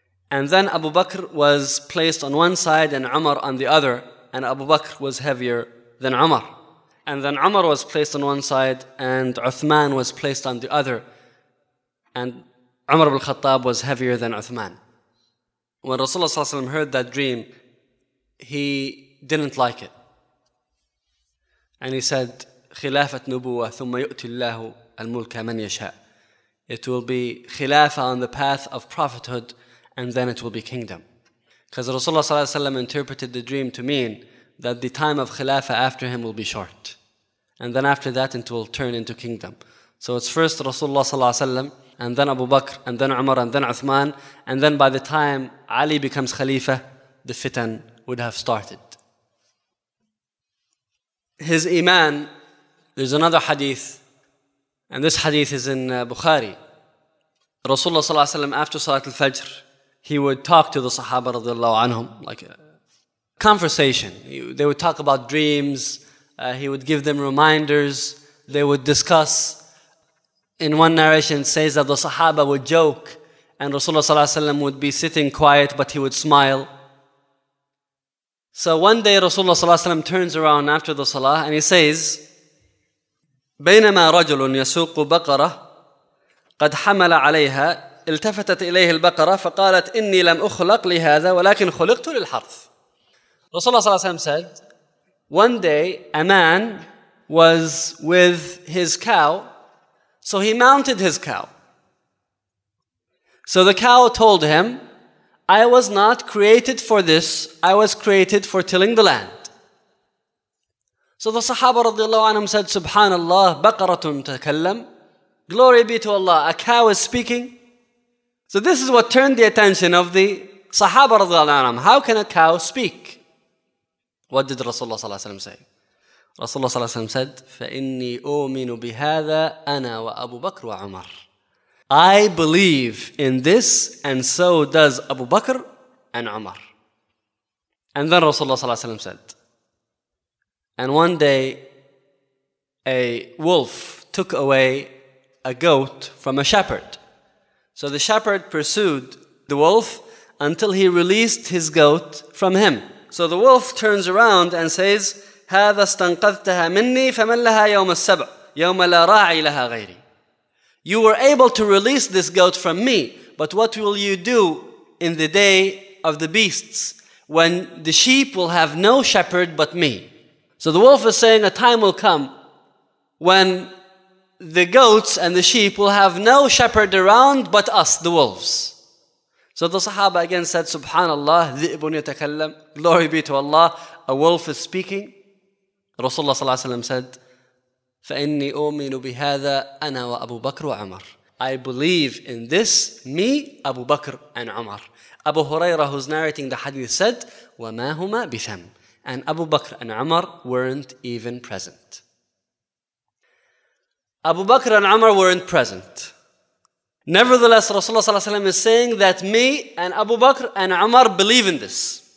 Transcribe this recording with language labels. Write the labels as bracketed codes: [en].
[en] And then Abu Bakr was placed on one side and Umar on the other, and Abu Bakr was heavier than Umar. And then Umar was placed on one side and Uthman was placed on the other, and Umar ibn al-Khattab was heavier than Uthman. When Rasulullah ﷺ heard that dream, he didn't like it. And he said, [ar] خِلَافَةْ نُبُوَّةْ ثُمَّ يُؤْتِ اللَّهُ الْمُلْكَ مَنْ يَشَاءْ. [en] It will be khilafah on the path of prophethood, and then it will be kingdom. Because Rasulullah ﷺ interpreted the dream to mean that the time of khilafah after him will be short. And then after that, it will turn into kingdom. So it's first Rasulullah ﷺ, and then Abu Bakr, and then Umar, and then Uthman, and then by the time Ali becomes Khalifa, the fitan would have started. His Iman, there's another hadith, and this hadith is in Bukhari. Rasulullah ﷺ, after Salat al-Fajr, he would talk to the Sahaba radiallahu anhum, like a conversation. They would talk about dreams, he would give them reminders, they would discuss. In one narration, it says that the Sahaba would joke and Rasulullah ﷺ would be sitting quiet, but he would smile. So one day Rasulullah ﷺ turns around after the Salah and he says, [ar] بَيْنَمَا رَجُلٌ يَسُوقُ بَقَرَةٌ قَدْ حَمَلَ عَلَيْهَا إِلْتَفَتَتْ إِلَيْهِ الْبَقَرَةُ فَقَالَتْ إِنِّي لَمْ أُخْلَقْ لِهَذَا وَلَكِنْ خُلِقْتُ لِلْحَرْثِ. [en] Rasulullah ﷺ said, one day a man was with his cow, so he mounted his cow. So the cow told him, I was not created for this, I was created for tilling the land. So the Sahaba radiallahu anhum said, Subhanallah, [ar] baqaratun takallam. [en] Glory be to Allah, a cow is speaking. So this is what turned the attention of the Sahaba radiallahu anhum. How can a cow speak? What did Rasulullah sallallahu alayhi wa sallam say? [ar] Rasulullah صلى الله عليه وسلم said, فَإِنِّي أُؤْمِنُ بِهَذَا أَنَا وَأَبُو بَكْرُ وَعُمَرُ. [en] I believe in this, and so does Abu Bakr and Umar. And then Rasulullah صلى الله عليه وسلم said, and one day a wolf took away a goat from a shepherd. So the shepherd pursued the wolf until he released his goat from him. So the wolf turns around and says, [ar] هذا استنقذتها مني فمن لها يوم السبع يوم لا راعي لها غيري. [en] You were able to release this goat from me, but what will you do in the day of the beasts when the sheep will have no shepherd but me? So the wolf is saying a time will come when the goats and the sheep will have no shepherd around but us, the wolves. So the Sahaba again said, Subhanallah, [ar] ذئبٌ يتكلم. [en] Glory be to Allah, a wolf is speaking. [ar] Rasulullah صلى الله عليه وسلم said, فَإِنِّي أُؤْمِنُ بِهَذَا أَنَا وَأَبُو بَكْرُ وَعُمَرُ. [en] I believe in this, me, Abu Bakr and Umar. Abu Huraira, who's narrating the hadith, said, [ar] وَمَا هُمَا بِثَمْ. [en] And Abu Bakr and Umar weren't even present. Abu Bakr and Umar weren't present. Nevertheless, Rasulullah صلى الله عليه وسلم is saying that me and Abu Bakr and Umar believe in this.